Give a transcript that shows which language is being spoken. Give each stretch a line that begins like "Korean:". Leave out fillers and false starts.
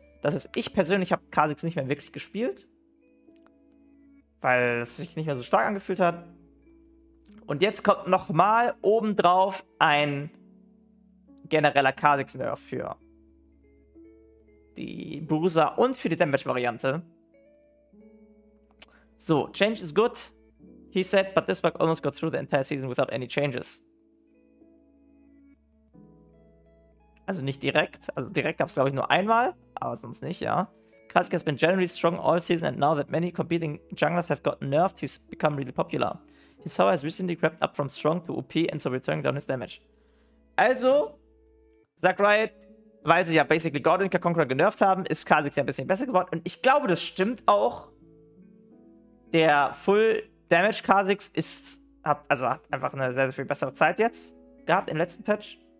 German: Das heißt, ich persönlich habe Kha'Zix nicht mehr wirklich gespielt, weil es sich nicht mehr so stark angefühlt hat. Und jetzt kommt nochmal obendrauf ein genereller Kha'Zix-Nerf für die Bruiser und für die Damage-Variante.
English: So, change is good, he said, but this bug almost got through the entire season without any changes.
German: Also nicht direkt, also direkt gab es glaube ich nur einmal, aber sonst nicht, ja.
English: Kha'Zix has been generally strong all season and now that many competing junglers have gotten nerfed, he's become really popular. His power has recently crept up from strong to OP and so returning down his damage.
German: Also, sagt Riot, weil sie ja basically Gordon und Conqueror genervt haben, ist Kha'Zix ja ein bisschen besser geworden. Und ich glaube, das stimmt auch. Der Full Damage Damage Kha'Zix ist, hat, also hat einfach eine sehr, sehr viel bessere Zeit jetzt gehabt im letzten Patch.